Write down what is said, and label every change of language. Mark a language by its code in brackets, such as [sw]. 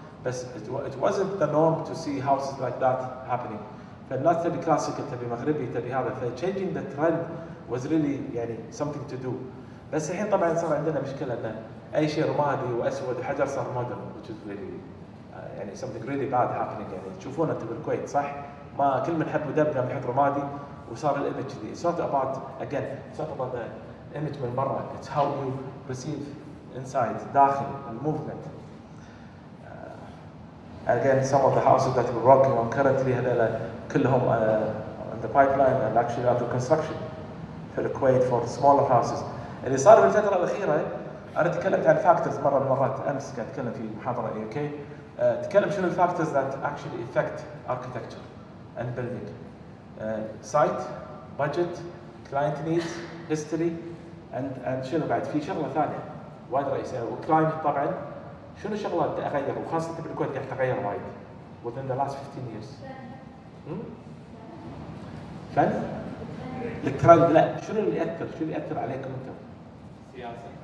[en] بس it wasn't the norm to see houses like that happening. [ar] فالناس تبي كلاسيكال تبي مغربي تبي هذا. [en] ف changing the trend was really يعني something to do. [ar] بس الحين طبعا صار عندنا مشكلة أن أي شيء رمادي وأسود وحجر صار [en] modern, which is really يعني something really bad happening. [ar] يعني تشوفون أنت بالكويت صح؟ ما كل من حب ودب قام يحط رمادي وصار الايمج ذي. [en] It's not about again, it's not about the image [ar] من برا. [en] It's how you perceive inside, [ar] داخل, الموفمنت. [en] Again, some of the houses that we're working on currently [ar] هذول كلهم [en] on the pipeline and actually after construction [ar] في الكويت [en] for smaller houses. [ar] اللي صار في الفترة الأخيرة أنا تكلمت عن factors مرة من مرات أمس كنت أتكلم في محاضرة إيه أوكي تكلم شنو ال [en] factors that actually affect architecture and building [ar] site budget client needs history and شنو بعد في شغلة ثانية وايد رئيسية وclimate طبعا شنو شغلات بدي أغير وخاصة في الكويت قاعد تغير وايد [en] within the last 15 years [ar] فن الترند لا شنو اللي يأثر شنو اللي يأثر عليكم أنتم